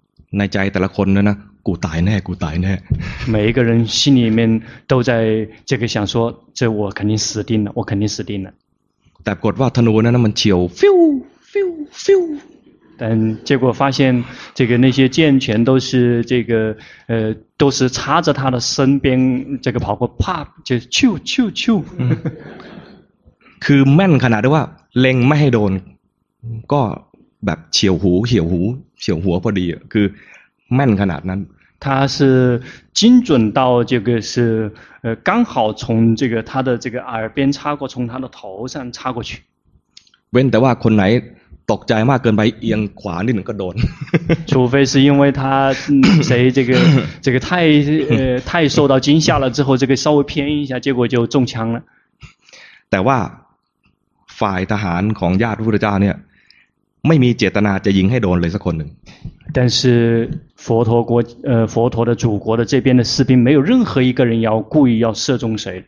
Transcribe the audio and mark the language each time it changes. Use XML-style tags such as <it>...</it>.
<th>ในใจแต่ละคนนะนะกูตายแน่กูตายแน่</th> <zh>每一个人心里面都在这个想说这我肯定死定了我肯定死定了</zh> <th>แต่ปรากฏว่าธนูนั้นมันเฉียวฟิวฟิวฟิว แต่</th> <zh>结果发现这个那些箭全都是这个都是插着他的身边这个跑过啪就咻咻咻</zh> <th>คือแม่นขนาดว่าเล็งไม่ให้โดนก็แบบเฉียวหูเฉียวหูเฉียวหัวพอดีคือแม่นขนาดนั้น</th> <zh>他是精准到这个是刚好从这个他的这个耳边插过从他的头上插过去</zh> <th>เว้นแต่ว่าคนไหนตกใจมากเกินไปเอียงขวานิดหนึ่งก็โดน</th> <zh>除非是因为他谁这个太受到惊吓了之后这个稍微偏一下结果就中枪了</zh> <th>แต่ว่าฝ่ายทหารของญาติพระพุทธเจ้าเนี่ยไม่มีเจตนาจะยิงให้โดนเลยสักคนหนึ่ง</th> <zh>但是佛陀国佛陀的祖国的这边的士兵没有任何一个人要故意要射中谁</zh>